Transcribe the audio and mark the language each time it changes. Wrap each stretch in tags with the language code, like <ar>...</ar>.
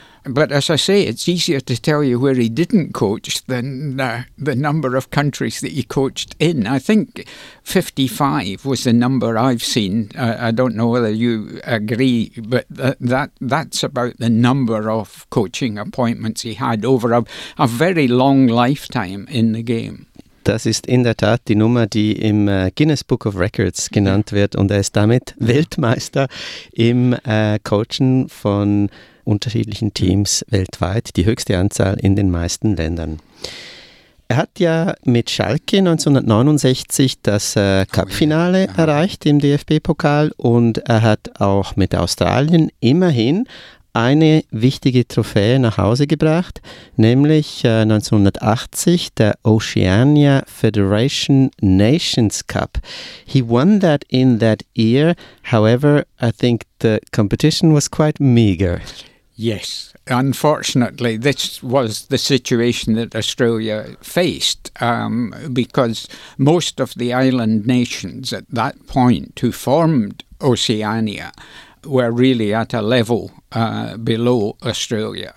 <en>But as I say, it's easier to tell you where he didn't coach than the number of countries that he coached in. I think 55 was the number I've seen. I don't know whether you agree, but that's about the number of coaching appointments he had over a very long lifetime in the game.</en> <de>Das ist in der Tat die Nummer, die im Guinness Book of Records genannt wird, und er ist damit Weltmeister im Coachen von unterschiedlichen Teams weltweit, die höchste Anzahl in den meisten Ländern. Er hat ja mit Schalke 1969 das Cup-Finale erreicht im DFB-Pokal, und er hat auch mit Australien immerhin eine wichtige Trophäe nach Hause gebracht, nämlich 1980 der Oceania Federation Nations Cup.</de> <en>He won that in that year, however, I think the competition was quite meager. Yes. Unfortunately, this was the situation that Australia faced, because most of the island nations at that point who formed Oceania were really at a level below Australia.</en>